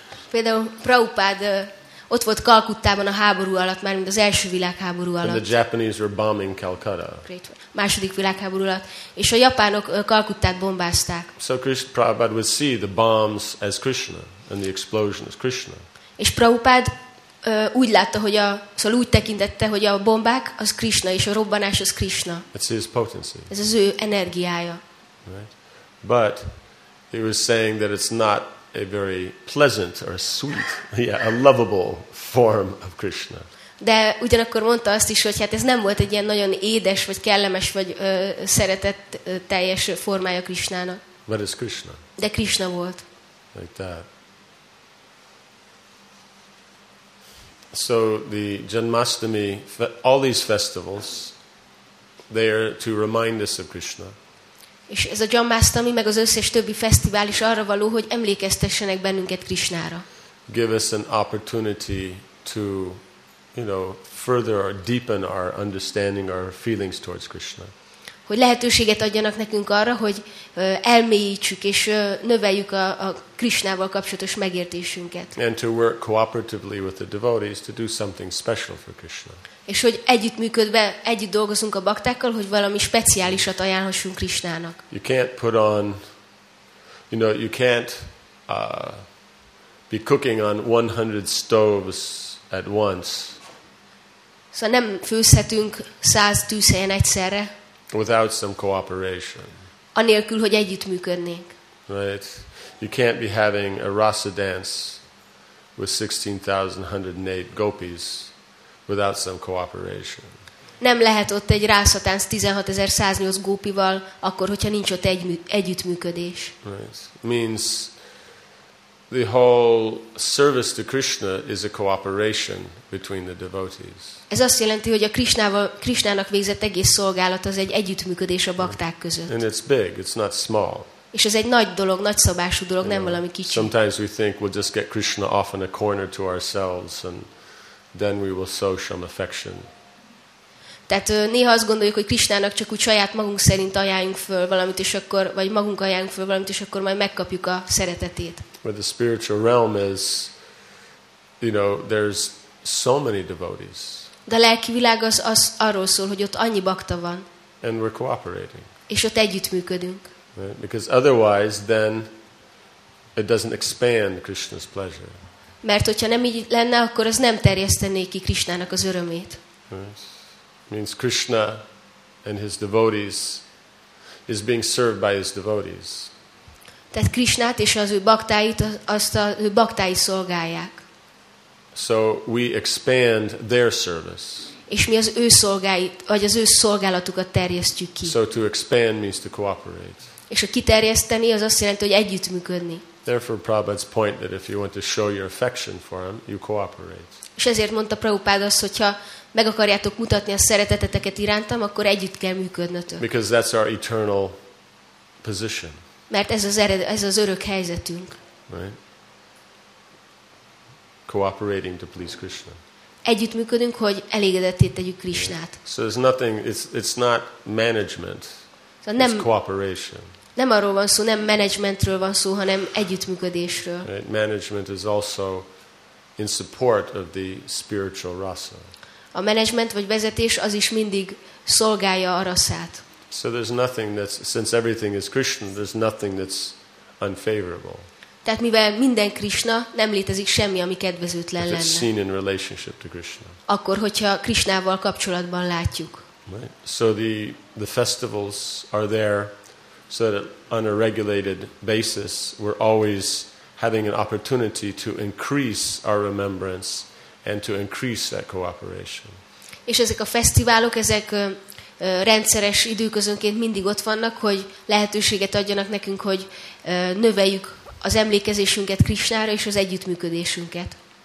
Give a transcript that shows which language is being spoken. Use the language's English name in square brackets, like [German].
[Hungarian] Például Prabhupada ott volt Kalkuttában a háború alatt, már mint az első világháború alatt. [English] And the Japanese were bombing Calcutta. [Hungarian] Második világháború alatt, és a japánok Kalkuttát bombázták. [English] So Krishna Prabhupada would see the bombs as Krishna and the explosion as Krishna. [Hungarian] És Prabhupada úgy látta, hogy szóval úgy tekintette, hogy a bombák az Krishna és a robbanás az Krishna. [English] It's his potency. [Hungarian] Ez az ő energiája. [English] Right. But he was saying that it's not a very pleasant or sweet, a lovable form of Krishna. [Hungarian] De ugyanakkor mondta azt is, hogy hát ez nem volt egy ilyen nagyon édes, vagy kellemes, vagy szeretett teljes formája Krisnának. [English] But it's Krishna. [Hungarian] De Krisna volt. [English] Like that. So the Janmashtami, all these festivals, they are to remind us of Krishna. [Hungarian] És ez a Janmashtami, meg az összes többi fesztivál is arra való, hogy emlékeztessenek bennünket Krisnára. [English] Give us an opportunity to, you know, further or deepen our understanding, our feelings towards Krishna. [Hungarian] Hogy lehetőséget adjanak nekünk arra, hogy elmélyítsük és növeljük a Krisnával kapcsolatos megértésünket. [English] And to work cooperatively with the devotees to do something special for Krishna. [Hungarian] És hogy együttműködve, együtt dolgozunk a baktákkal, hogy valami speciálisat ajánlhassunk Krisnának. [English] You can't put on, you know, you can't be cooking on 100 stoves at once. [Hungarian] Szóval nem főzhetünk 100 tűzhelyen egyszerre. [English] Without some cooperation. [Hungarian] Anélkül, hogy együttműködnénk. [English] Right? You can't be having a rasa dance with 16,108 gopis without some cooperation. [Hungarian] Nem lehet ott egy rasa tánc 16,108 gópival, akkor, hogyha nincs ott együttműködés. [English] Right. Means the whole service to Krishna is a cooperation between the devotees. [Hungarian] Ez azt jelenti, hogy a Krisnának végzett egész szolgálat az egy együttműködés a bakták között. [English] And it's big, it's not small. [Hungarian] És ez egy nagy dolog, nagy szabású dolog, nem valami kicsi. [English] Sometimes we think we'll just get Krishna off in a corner to ourselves and then we will show some affection. [Hungarian] Tehát néha azt gondoljuk, hogy Krisnának csak úgy saját magunk szerint ajánljunk föl valamit, és akkor, vagy magunk ajánljunk föl valamit, és akkor majd megkapjuk a szeretetét. [English] But the spiritual realm is, you know, there's so many devotees. [Hungarian] De a lelki világ az arról szól, hogy ott annyi bakta van. [English] And we're cooperating. [Hungarian] És ott együttműködünk. [English] Right? Because otherwise, then it doesn't expand Krishna's pleasure. [Hungarian] Mert hogyha nem így lenne, akkor az nem terjesztené ki Krisnának az örömét. [English] Right? Means Krishna and his devotees is being served by his devotees. [Hungarian] Tehát Krisnát és az ő baktáit, azt a ő baktái szolgálják. [English] So we expand their service. [Hungarian] És mi az ő szolgáit, vagy az ő szolgálatukat terjesztjük ki. [English] So to expand means to cooperate. [Hungarian] És a kiterjeszteni az azt jelenti, hogy együttműködni. [English] Therefore Prabhupada's point that if you want to show your affection for him, you cooperate. [Hungarian] És ezért mondta Prabhupád azt, hogyha meg akarjátok mutatni a szereteteteket irántam, akkor együtt kell működnötök. [English] Because that's our eternal position. [Hungarian] Mert ez az örök helyzetünk. [English] Right? Cooperating to please Krishna. [Hungarian] Együttműködünk, hogy elégedetté tegyük Krisnát. [English] So there's nothing, it's not management. So [Hungarian] nem, [English] it's cooperation. [Hungarian] Nem arról van szó, nem managementről van szó, hanem együttműködésről. [English] Right? Management is also in support of the spiritual rasa. [Hungarian] A management vagy vezetés az is mindig szolgálja a rasát. [English] So there's nothing that's, since everything is Krishna, there's nothing that's unfavorable. [Hungarian] Tehát mivel minden Krishna, nem létezik semmi, ami kedvezőtlen lenne. [English] If it's seen in relationship to Krishna. [Hungarian] Akkor, hogyha Krishnával kapcsolatban látjuk. [English] Right. So the festivals are there so that on a regulated basis we're always having an opportunity to increase our remembrance and to increase that cooperation. [Hungarian] És ezek a fesztiválok, ezek rendszeres időközönként mindig ott vannak, hogy lehetőséget adjanak nekünk, hogy növeljük az emlékezésünket Krisnára és az együttműködésünket.